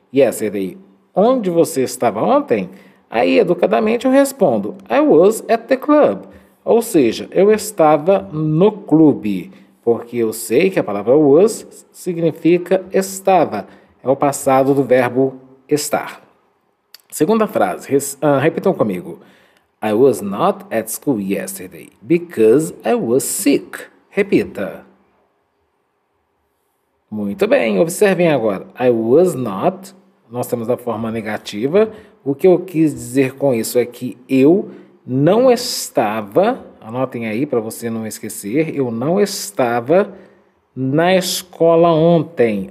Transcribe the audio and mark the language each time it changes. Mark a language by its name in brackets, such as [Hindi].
[Portuguese] Yesterday, onde você estava ontem? Aí, educadamente, eu respondo, [English] I was at the club. [Portuguese] Ou seja, eu estava no clube, porque eu sei que a palavra was significa estava. É o passado do verbo estar. Segunda frase, repitam comigo. [English] I was not at school yesterday because I was sick. [Portuguese] Repita. Muito bem, observem agora. [English] I was not, [Portuguese] nós temos a forma negativa. O que eu quis dizer com isso é que eu não estava, anotem aí para você não esquecer, eu não estava na escola ontem.